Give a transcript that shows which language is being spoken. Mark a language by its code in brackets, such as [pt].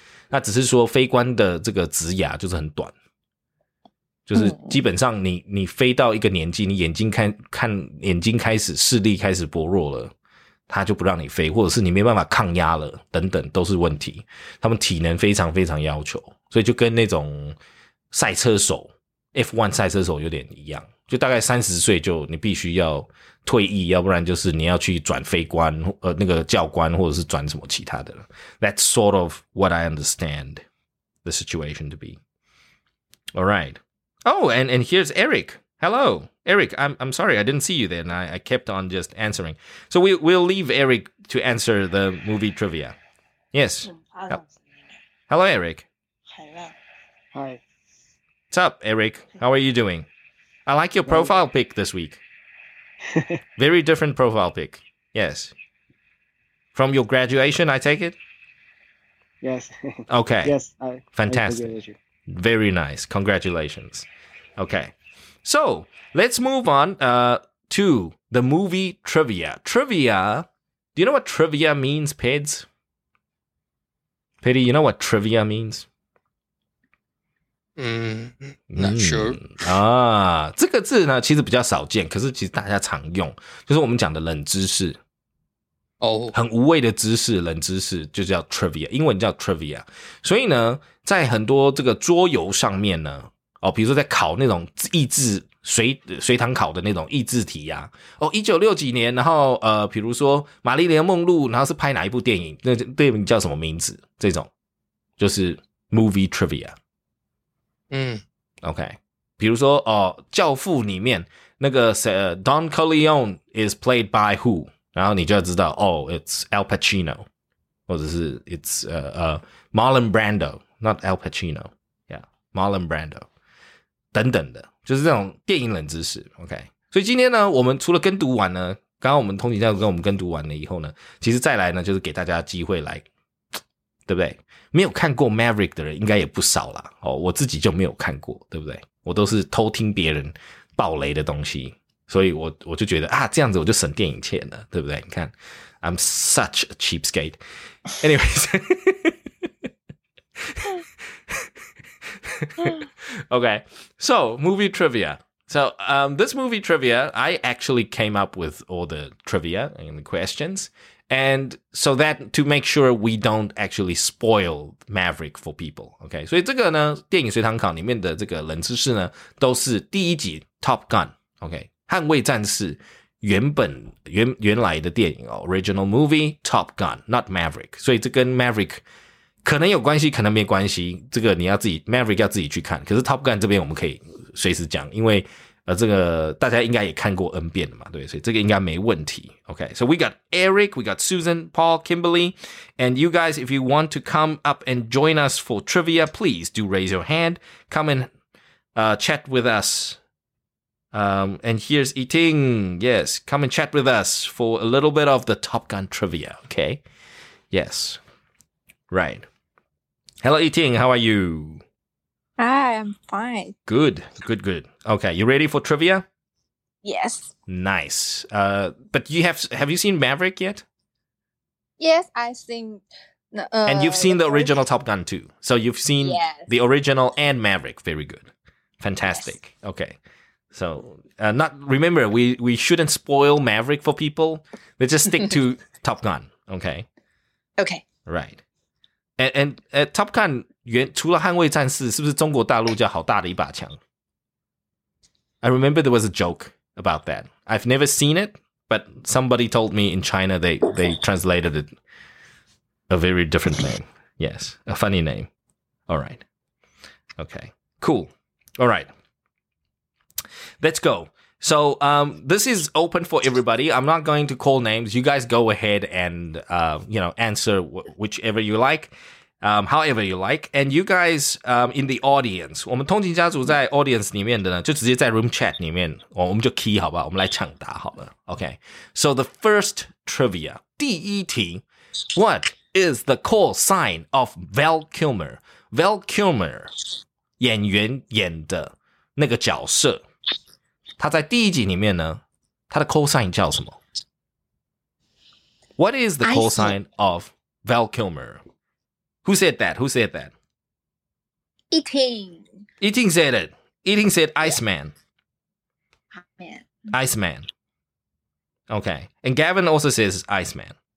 [zh] 那只是说飞官的这个职涯就是很短，就是基本上你飞到一个年纪，你眼睛开始视力开始薄弱了，他就不让你飞，或者是你没办法抗压了等等，都是问题。他们体能非常非常要求，所以就跟那种赛车手 F1 赛车手有点一样，就大概30岁就你必须要退役，要不然就是你要去转飞官那个教官，或者是转什么其他的。 [en] That's sort of what I understand the situation to be. All rightOh, and here's Eric. Hello, Eric. I'm sorry, I didn't see you there, and I kept on just answering. So we'll leave Eric to answer the movie trivia. Yes. Hello, Eric. Hello. Hi. What's up, Eric? How are you doing? I like your profile pic this week. Very different profile pic. Yes. From your graduation, I take it? Yes. Okay. Yes, Fantastic. Very nice. Congratulations. Okay. So let's move on to the movie trivia. Trivia. Do you know what trivia means, Peds? Petty, you know what trivia means? Not sure. [zh] 这个字呢其实比较少见，可是其实大家常用，就是我们讲的冷知识。很无谓的知识，冷知识就叫 trivia， 英文叫 trivia。所以呢，在很多这个桌游上面呢，比如说在考那种益智随堂考的那种益智题啊，1960几年，然后比如说玛丽莲梦露，然后是拍哪一部电影，那电影叫什么名字，这种就是 movie trivia。 OK， 比如说教父里面那个谁 ， [en] Don Corleone is played by who？ [zh] 然后你就要知道 [en] it's Al Pacino， [zh] 或者是 [en] it's Marlon Brando， not Al Pacino， yeah， Marlon Brando [zh] 等等的，就是这种电影冷知识。 OK， 所以今天呢，我们除了跟读完呢，刚刚我们通勤教授跟我们跟读完了以后呢，其实再来呢就是给大家机会来，对不对？没有看过 Maverick 的人应该也不少啦，我自己就没有看过，对不对？我都是偷听别人爆雷的东西，所以我就觉得啊，这样子我就省电影钱了，对不对？你看 [en] I'm such a cheapskate. Anyways. Okay. So, movie trivia. So, this movie trivia, I actually came up with all the trivia and the questions. And so that to make sure we don't actually spoil Maverick for people. Okay. [zh] 所以这个呢，电影随堂考里面的这个冷知识呢，都是第一集 Top Gun. [en] Okay. [zh] 捍卫战士原来的电影 [en] original movie Top Gun not Maverick， [zh] 所以这跟 Maverick 可能有关系可能没关系，这个你要自己 Maverick 要自己去看，可是 Top Gun 这边我们可以随时讲，因为这个大家应该也看过 N 遍了嘛，对，所以这个应该没问题。 [en] OK， so we got Eric, we got Susan, Paul, Kimberly, and you guys, if you want to come up and join us for trivia, please do raise your hand, come and chat with usAnd here's Yiting. Yes, come and chat with us for a little bit of the Top Gun trivia, okay? Yes. Right. Hello, Yiting. How are you? Hi, I'm fine. Good, good, good. Okay, you ready for trivia? Yes. Nice. But you have you seen Maverick yet? Yes, I've seen. And you've seen the original Top Gun too. So you've seen the original and Maverick. Very good. Fantastic. Yes. Okay. So we shouldn't spoil Maverick for people. Let's just stick to Top Gun. Okay. Okay. Right. [zh] And Top Gun 原除了捍卫战士，是不是中国大陆叫好大的一把枪？ [en] I remember there was a joke about that. I've never seen it, but somebody told me in China they translated it a very different name. Yes, a funny name. All right. Okay. Cool. All right. Let's go. So this is open for everybody. I'm not going to call names. You guys go ahead and answer whichever you like. However you like, and you guys in the audience, [zh] 我们通勤家族在 audience 里面的呢，就直接在 room chat 里面，我们就 key 好吧，我们来抢答好了。 [en] Okay, so the first trivia, [zh] 第一题, [en] what is the call sign of Val Kilmer? [zh] Val Kilmer 演员演的那个角色，他在第一集里面呢，他的 call sign 叫什么？ [en] What is the call sign of Val Kilmer? Who said that? Who said that? Yiting said it. Yiting said Iceman. Yeah. Iceman. Okay. And Gavin also says Iceman.